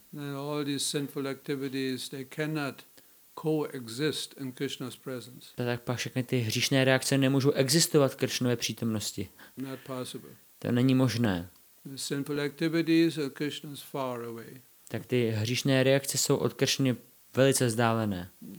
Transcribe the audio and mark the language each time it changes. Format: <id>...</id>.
<en>then all these sinful activities, they cannot coexist in Krishna's presence.</en> <cs>Tak pak všechny ty hříšné reakce nemůžou existovat v Krishnově přítomnosti.</cs> <en>Not possible.</en> <cs>To není možné.</cs> <en>The sinful activities are Krishna's far away.</en> <cs>Tak ty hříšné reakce jsou od Krishny velice vzdálené.</cs>